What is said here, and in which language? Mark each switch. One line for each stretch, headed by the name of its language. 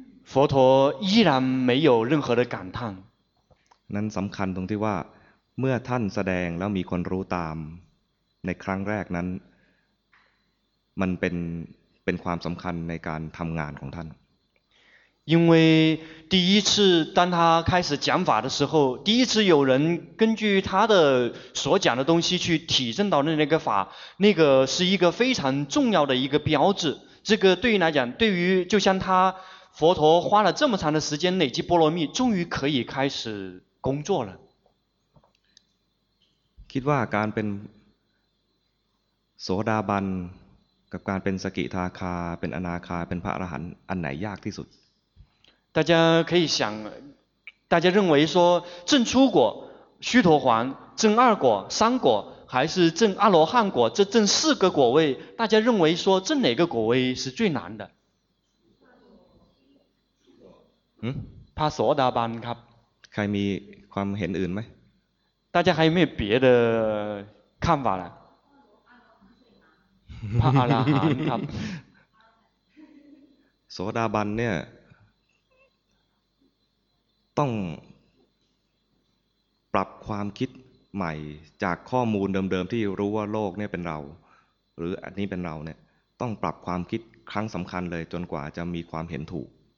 Chinese: 佛陀依然没有任何的感叹
Thai: นั้นสำคัญตรงที่ว่าเมื่อท่านแสดงแล้วมีคนรู้ตามในครั้งแรกนั้นมันเป็นความสำคัญในการทำงานของท่าน
Chinese: 因为第一次当他开始讲法的时候第一次有人根据他的所讲的东西去体证到的那个法那个是一个非常重要的一个标志这个对于来讲对于就像他佛陀花了这么长的时间累积波罗蜜终于可以开始工作了
Thai: คิดว่าการเป็นโสดาบันกับการเป็นสกิทาคาเป็นอนาคาเป็นพระอรหันต์อันไหนยากที่สุด
Chinese: 大家可以想大家认为说证初果须陀洹证二果三果还是证阿罗汉果这证四个果位大家认为说证哪个果位是最难的嗯帕索达班ครับ
Thai: ใครมีความเห็นอื่นไหม
Chinese: 大家还有没有别的看法呢帕阿拉罕ครับ
Thai: โสดาบันเนี่ยต้องปรับความคิดใหม่จากข้อมูลเดิมๆที่รู้ว่าโลกเนี่ยเป็นเราหรืออันนี้เป็นเราเนี่ยต้องปรับความคิดครั้งสำคัญเลยจนกว่าจะมีความเห็นถูก